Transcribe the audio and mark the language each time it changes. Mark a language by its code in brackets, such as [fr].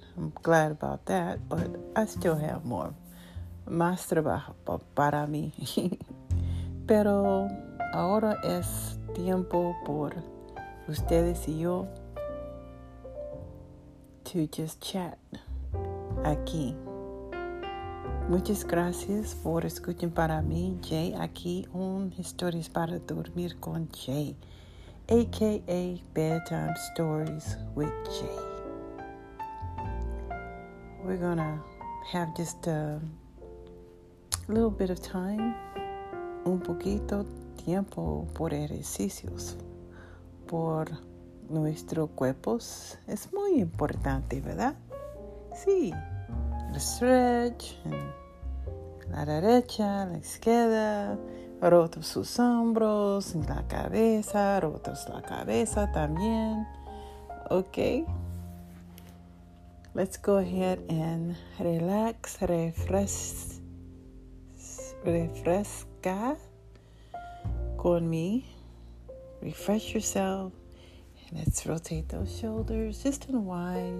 [en] I'm glad about that, but I still have more. [es] Más trabajo para mí. Pero ahora es tiempo por ustedes y yo [en] to just chat [es] aquí. Muchas gracias por escuchar para mí, Jay, aquí un Historias para Dormir con Jay, a.k.a. [en] Bedtime Stories with Jay. We're gonna have just a little bit of time, [es] un poquito tiempo por ejercicios, por nuestros cuerpos. Es muy importante, ¿verdad? Sí, el stretch, la derecha, la izquierda, roto sus hombros, la cabeza, roto la cabeza también. [en] Okay. Let's go ahead and relax, [es] refresca con me. [en] Refresh yourself. Let's rotate those shoulders just in a while.